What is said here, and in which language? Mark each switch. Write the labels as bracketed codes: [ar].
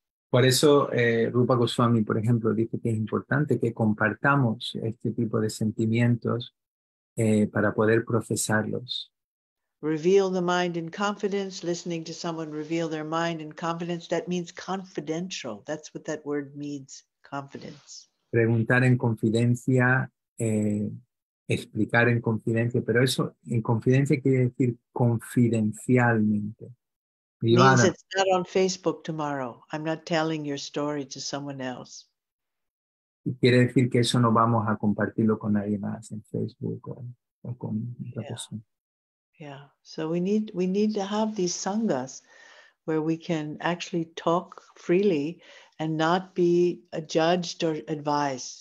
[es] Por eso Rupa Goswami, por ejemplo, dice que es importante que compartamos este tipo de sentimientos para poder procesarlos. [en] Reveal the mind in confidence, listening to someone reveal their mind in confidence, that means confidential. That's what that word means, confidence. [es] Preguntar en confidencia, explicar en confidencia, pero eso en confidencia quiere decir confidencialmente. [en] Means it's not on Facebook tomorrow. I'm not telling your story to someone else. [es] Y quiere decir que eso no vamos a compartirlo con nadie más en Facebook o con otra persona. [en] Yeah, so we need to have these sanghas where we can actually talk freely and not be judged or advised.